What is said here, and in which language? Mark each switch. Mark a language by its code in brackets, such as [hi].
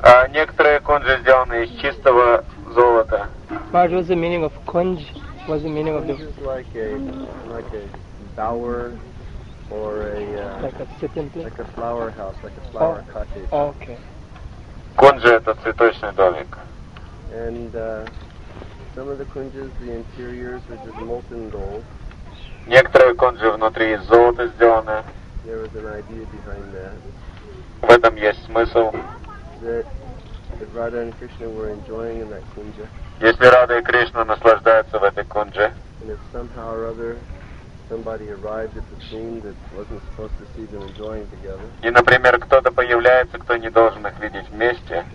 [ru] Некоторые кунджи сделаны из чистого золота. [en] What was the meaning of kunj? What's the meaning of the? Kunj is like a bower or a like a sitting place, like a flower house, like a flower cottage. Oh, okay. [ru] Кунджи — это цветочный домик. [en] And some of the kunjis, the interiors are just molten gold. [ru] Некоторые кунджи внутри из золота сделаны. [en] There was an idea behind that. [ru] В этом есть смысл. [en] That Radha and Krishna were enjoying in that kunja. [ru] Если Рада и Кришна наслаждаются в этой кунже. [en] And if somehow or other somebody arrived at the scene that wasn't supposed to see them enjoying together. [ru] И, например, кто-то появляется, кто не должен их видеть вместе.